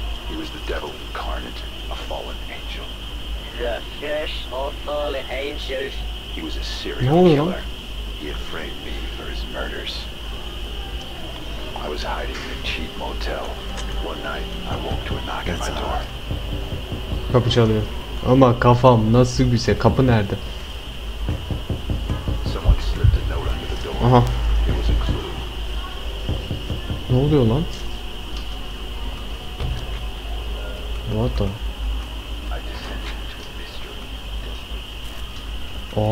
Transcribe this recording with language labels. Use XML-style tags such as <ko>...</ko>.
<en>He was the devil incarnate, a fallen angel. The first of all angels. He was a serial killer. He had framed me for his murders. I was hiding in a cheap motel. One night, I woke to a knock at my door.</en> <tr>Kapı çalıyor. Ama kafam nasıl güse, kapı nerede?</tr> <en>Someone slipped a note under the door. Aha. It was a clue.</en> <tr>Ne oluyor lan?</tr> <en>What the? I descended into a mystery.</en>